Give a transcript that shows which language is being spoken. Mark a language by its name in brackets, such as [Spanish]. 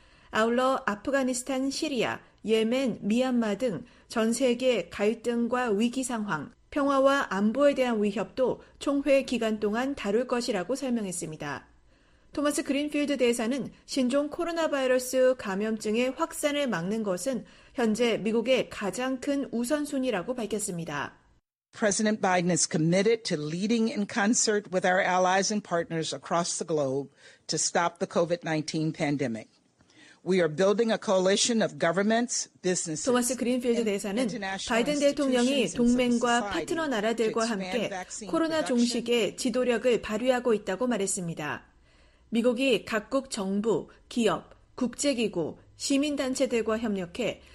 [Korean] 아울러 아프가니스탄, 시리아, 예멘, 미얀마 등 전 세계 갈등과 위기 상황, 평화와 안보에 대한 위협도 총회 기간 동안 다룰 것이라고 설명했습니다. 토머스 그린필드 대사는 신종 코로나 바이러스 감염증의 확산을 막는 것은 현재 미국의 가장 큰 우선순위라고 밝혔습니다. [English] President Biden is committed to leading in concert with our allies and partners across the globe to stop the COVID-19 pandemic. We are building a coalition of governments, businesses, [Korean] 토마스 그린필드 대사는 바이든 대통령이 동맹과 파트너 나라들과 함께 코로나 종식에 지도력을 발휘하고 있다고 말했습니다. 미국이 각국 정부, 기업, 국제기구, 시민단체들과 협력해